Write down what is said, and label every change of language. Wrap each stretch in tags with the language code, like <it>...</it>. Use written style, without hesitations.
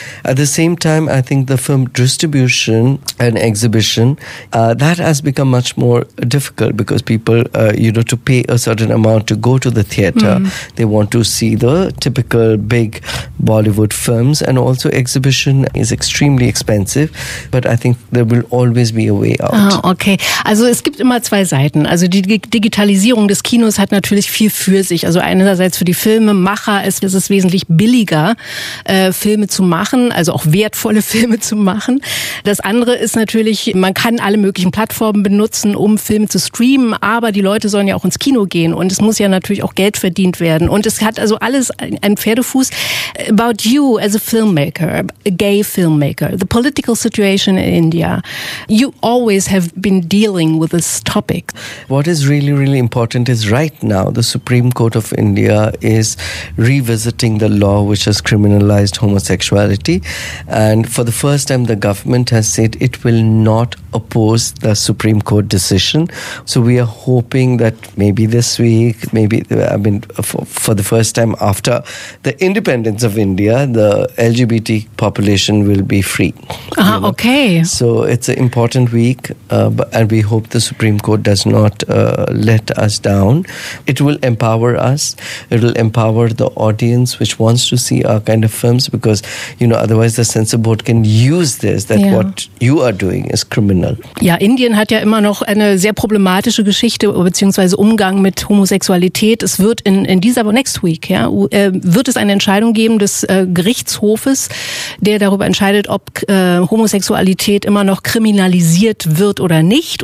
<en>At the same time, I think the film distribution and exhibition, that has become much more difficult because people, to pay a certain amount to go to the theater, they want to see the typical big Bollywood films, and also exhibition is extremely expensive, but I think there will always be a way out.</en> <de>Okay, also es gibt immer zwei Seiten. Also die Digitalisierung des Kinos hat natürlich viel für sich. Also einerseits für die Filmemacher ist es wesentlich billiger, Filme zu machen, also auch wertvolle Filme zu machen. Das andere ist natürlich, man kann alle möglichen Plattformen benutzen, um Filme zu streamen, aber die Leute sollen ja auch ins Kino gehen und es muss ja natürlich auch Geld verdient werden. Und es hat also alles einen Pferdefuß.</de> <en>About you as a filmmaker, a gay filmmaker, the political situation in India, you always have been dealing with this topic. What is really, really important is right now, the Supreme Court of India is revisiting the law which has criminalized homosexuality, and for the first time the government has said it will not oppose the Supreme Court decision. So we are hoping that maybe this week, for the first time after the independence of India, the LGBT population will be free. Okay. So it's an important week, and we hope the Supreme Court does not let us down. It will empower us. It will empower the audience which wants to see our kind of films, because, you know, otherwise the censor board can use this, that what you are doing is criminal.</en> <de>Ja, Indien hat ja immer noch eine sehr problematische Geschichte beziehungsweise Umgang mit Homosexualität. Es wird wird es eine Entscheidung geben des Gerichtshofes, der darüber entscheidet, ob Homosexualität immer noch kriminalisiert wird oder nicht.</de>